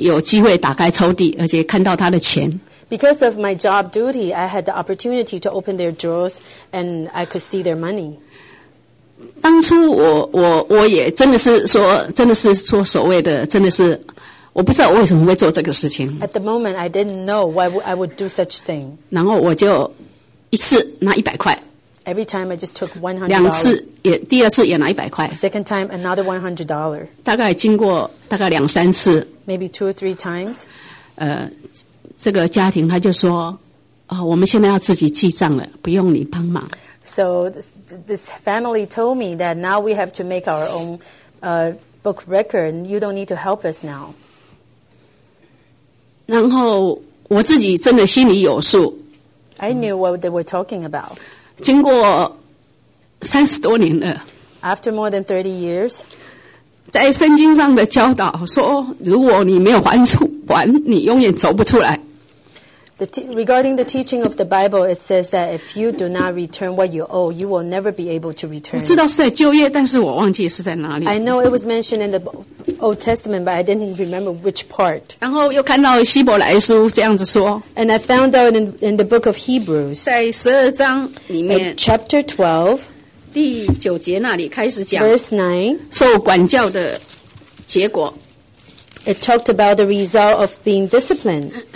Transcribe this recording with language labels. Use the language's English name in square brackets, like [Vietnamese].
[Chinese] 因为工作的关系，我就很容易有机会打开抽屉，而且看到他的钱。 [English] Because of my job duty, I had the opportunity to open their drawers and I could see their money. [Chinese] 当初我也真的是说，真的是说所谓的真的是。我不知道为什么会做这个事情。 [English] At the moment, I didn't know why I would do such thing. [Chinese] 然后我就一次拿100块。 [English] Every time, I just took $100. [Chinese] 两次也，第二次也拿100块。 [English] Second time, another $100. [Chinese] 大概经过大概两三次。 [English] Maybe two or three times. [Chinese] 这个家庭他就说，我们现在要自己记账了，不用你帮忙。 [English] So this family told me that now we have to make our own book record, and you don't need to help us now. [Chinese] 然后我自己真的心里有数。 [English] I knew what they were talking about. [Chinese] 经过30多年了。 [English] After more than 30 years. [Chinese] 在圣经上的教导说，如果你没有还，你永远走不出来。 [English] Regarding the teaching of the Bible, it says that if you do not return what you owe, you will never be able to return. [Chinese] 我知道是在旧约，但是我忘记是在哪里。 [English] I know it was mentioned in the Old Testament, but I didn't remember which part. [Chinese] 然后又看到希伯来书这样子说。 [English] And I found out in the book of Hebrews, [Chinese] 在12章里面, [English] chapter 12, [Chinese] 第9节那里开始讲, [English] verse 9, [Chinese] 受管教的结果, [English] it talked about the result of being disciplined.